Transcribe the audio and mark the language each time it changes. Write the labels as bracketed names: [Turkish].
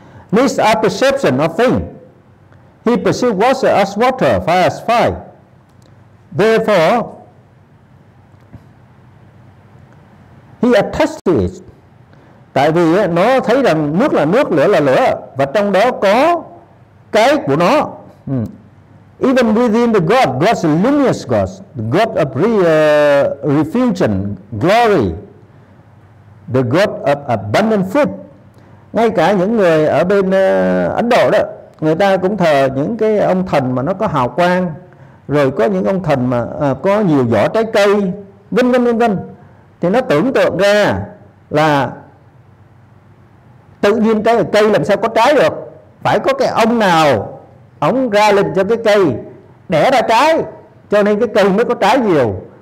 [English] This is our perception of things. He perceives water as water, fire as fire. Therefore, he attached to it. [Vietnamese] Tại vì nó thấy rằng nước là nước, lửa là lửa, và trong đó có cái của nó. [English] Even within the God, God is a luminous God, the God of refusion, glory, the God of abundant food. [Vietnamese] Ngay cả những người ở bên Ấn Độ đó, người ta cũng thờ những cái ông thần mà nó có hào quang, rồi có những ông thần mà có nhiều vỏ trái cây, vân vân vân vân. Thì nó tưởng tượng ra là tự nhiên cái cây làm sao có trái được, phải có cái ông nào ông ra lệnh cho cái cây đẻ ra trái, cho nên cái cây mới có trái nhiều.